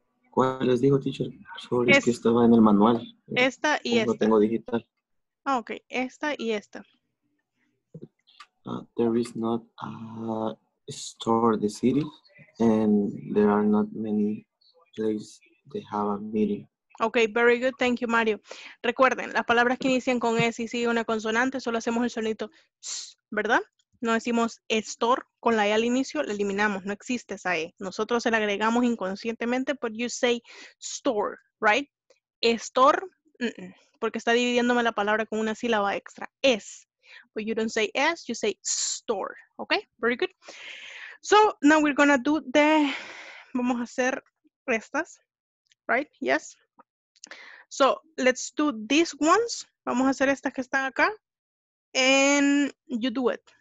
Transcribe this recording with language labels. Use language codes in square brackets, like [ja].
[es] ¿Cuál les digo, teacher? Sorry, es que estaba en el manual. Esta y esta. No tengo digital. Ah, ok, esta y esta. [en] There is not a store in the city, and there are not many places to have a meeting. Okay, very good. Thank you, Mario. [es] Recuerden, las palabras que inician con S y sigue una consonante, solo hacemos el sonido S, ¿verdad? No decimos store con la E al inicio, la eliminamos. No existe esa E. Nosotros se la agregamos inconscientemente, [en] but you say store, right? [es] Store, porque está dividiéndome la palabra con una sílaba extra. S. [en] But you don't say S, you say store. Okay, very good. So now we're gonna do the, [es] vamos a hacer estas, [en] right? Yes. So let's do these ones. [es] Vamos a hacer estas que están acá. [en] And you do it.